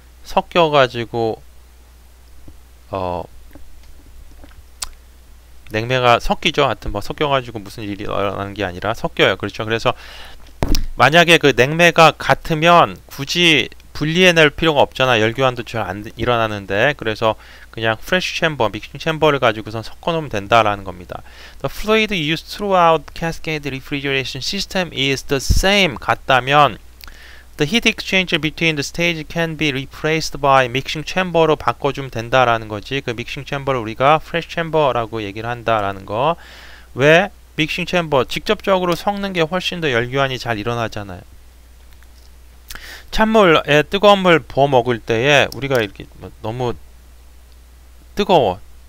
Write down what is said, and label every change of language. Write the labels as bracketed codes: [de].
[ko] 섞여 가지고 냉매가 섞이죠. 하여튼 뭐 섞여 가지고 무슨 일이 일어나는 게 아니라 섞여요. 그렇죠. 그래서 만약에 그 냉매가 같으면 굳이 분리해낼 필요가 없잖아. 열교환도 잘안 일어나는데. 그래서 그냥 프레쉬 챔버, 믹싱 챔버를 가지고선 섞어놓으면 된다라는 겁니다. [en] The fluid used throughout cascade refrigeration system is the same. [ko] 같다면 [en] the heat exchanger between the stage can be replaced by mixing chamber [ko] 로 바꿔주면 된다라는 거지. 그 믹싱 챔버를 우리가 프레쉬 챔버라고 얘기를 한다라는 거. 왜? 믹싱 챔버 직접적으로 섞는 게 훨씬 더 열교환이 잘 일어나잖아요. 찬물에 뜨거운 물 부어 먹을 때에 우리가 이렇게 너무 뜨거워.